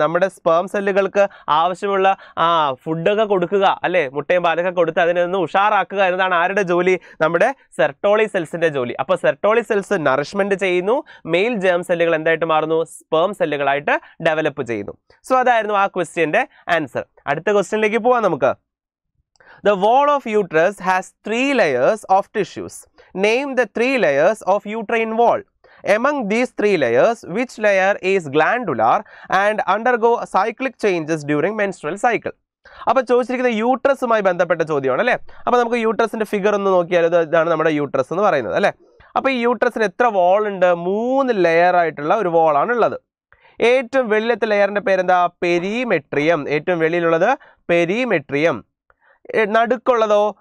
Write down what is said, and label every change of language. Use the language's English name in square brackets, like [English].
[Malayalam] നമ്മുടെ സ്പേം സെല്ലുകൾക്ക് ആവശ്യമുള്ള ഫുഡൊക്കെ കൊടുക്കുക അല്ലേ, മുട്ടയും പാലൊക്കെ കൊടുത്ത് അതിനൊന്ന് ഉഷാറാക്കുക എന്നതാണ് ആരുടെ ജോലി? നമ്മുടെ സെർട്ടോളി സെൽസിൻ്റെ ജോലി. അപ്പോൾ സെർട്ടോളി സെൽസ് നറിഷ്മെൻറ്റ് ചെയ്യുന്നു, മെയിൽ ജേം സെല്ലുകൾ എന്തായിട്ട് മാറുന്നു? സ്പേം സെല്ലുകളായിട്ട് ഡെവലപ്പ് ചെയ്യുന്നു. സോ അതായിരുന്നു ആ ക്വസ്റ്റ്യൻ്റെ ആൻസർ. അടുത്ത ക്വസ്റ്റ്യനിലേക്ക് പോവാം നമുക്ക്. [English] The wall of uterus has three layers of tissues. Name the three layers of uterine wall. Among these three layers, which layer is glandular and undergo cyclic changes during menstrual cycle? [Malayalam] അപ്പോൾ ചോദിച്ചിരിക്കുന്നത് യൂട്രസുമായി ബന്ധപ്പെട്ട ചോദ്യമാണ് അല്ലേ. അപ്പോൾ നമുക്ക് യൂട്രസിൻ്റെ figure ഒന്ന് നോക്കിയാൽ ഇതാണ് നമ്മുടെ യൂട്രസ് എന്ന് പറയുന്നത് അല്ലേ. അപ്പോൾ ഈ യൂട്രസിന് എത്ര വോൾ ഉണ്ട്? മൂന്ന് ലെയർ ആയിട്ടുള്ള ഒരു വോളാണ് ഉള്ളത്. ഏറ്റവും വെളിയത്തെ ലെയറിൻ്റെ പേരെന്താ? പെരിമെട്രിയം. ഏറ്റവും വെളിയിലുള്ളത് പെരിമെട്രിയം. നടുക്കുള്ളതോ?